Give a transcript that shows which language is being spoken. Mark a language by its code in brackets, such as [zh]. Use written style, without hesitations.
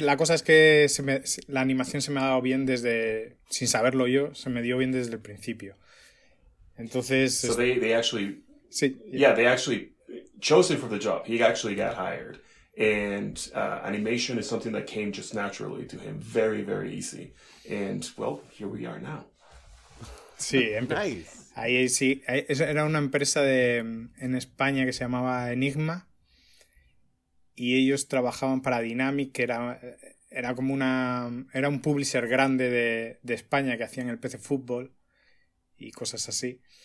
[es] La cosa es que la animación se me ha dado bien desde, sin saberlo yo, se me dio bien desde el principio. Entonces. [en] So they actually. [es] Sí. [en] Yeah, they actually chose him for the job. He actually got hired. And animation is something that came just naturally to him, very, very easy. And, well, here we are now. [es] Sí, [en] nice. [es] Ahí sí, era una empresa en España que se llamaba Enigma, y ellos trabajaban para Dynamic, que era como una, era un publisher grande de España que hacían el PC Fútbol y cosas así.